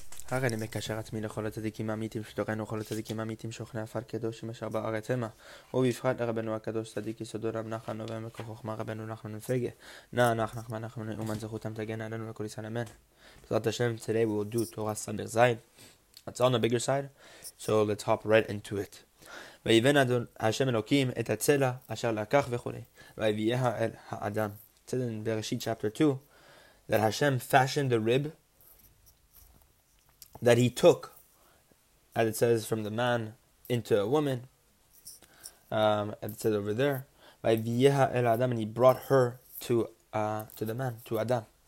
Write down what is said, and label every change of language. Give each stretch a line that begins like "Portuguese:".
Hebrew: הרי אני מקשר עצמי לכל הצדיקים האמיתים שתורנו, כל הצדיקים האמיתים שוכני עפר קדושים אשר בארץ המה. ובפרט לרבנו הקדוש צדיק יסוד עולם נחל נובע מכוח חוכמה רבנו נחמן מפגה. נא נח נחמן נחמן אומן זכותם תגן עלינו לכל ישראל אמן.
English: בעזרת השם, today we will do Torah סמ"ך זין. It's on the bigger side, so let's hop right into it.
Hebrew: ויבן אדון השם אלוקים את הצלע אשר לקח וכו'. ויביאה אל האדם.
English: It's in בראשית chapter 2, that Hashem fashioned the rib that he took, as it says, from the man into a woman, as it says over there, by
Hebrew: vieha el Adam,
English: and he brought her to the man, to Adam.